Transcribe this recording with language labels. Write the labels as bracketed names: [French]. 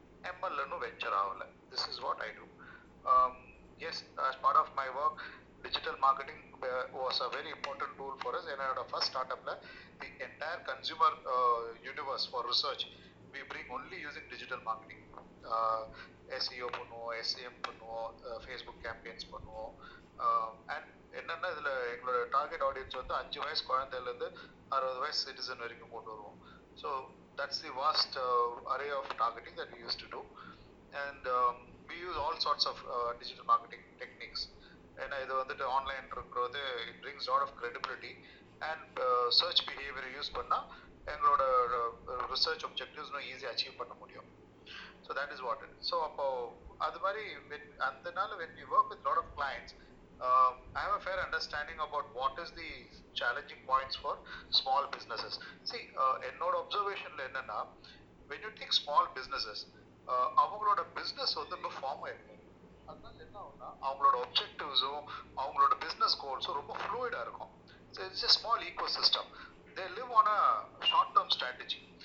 [Tamil] ML lano venture avala. [English] This is what I do. Yes, as part of my work, digital marketing was a very important tool for us. And our first startup, the entire consumer universe for research, we bring only using digital marketing. [Tamil] SEO பண்ணுவோம், SEM பண்ணுவோம், Facebook campaigns பண்ணுவோம். And என்னென்னா இதில் எங்களோட target audience வந்து 5 வயசு குழந்தையிலேருந்து 60 வயசு சிட்டிசன் வரைக்கும் கொண்டு வருவோம். [English] So that's the vast array of targeting that use to do. And we use all sorts of digital marketing techniques. [Tamil] ஏன்னா இது வந்துட்டு ஆன்லைன் இருக்கிறது, [English] It brings lot of credibility. [Tamil] And search behaviour use பண்ணால் எங்களோட research அப்ஜெக்டிவ்ஸ்னும் ஈஸியாக achieve பண்ண முடியும். [English] So that is what it is. So [Tamil] அது மாதிரி அந்த நாள் [English] when we work with a lot of clients, I have a fair understanding about what is the challenging points for small businesses. [Tamil] See, என்னோட observationல என்னன்னா, [English] when you think small businesses, [Tamil] அவங்களோட business வந்து ரொம்ப form ஆயிருக்கும். அதனால என்ன ஆகுனா, அவங்களோட ஆப்ஜெக்டிவ்ஸும் அவங்களோட business goalsும் ரொம்ப ஃப்ளூயிடாக இருக்கும். [English] So it's a small ecosystem. They live on a short-term strategy.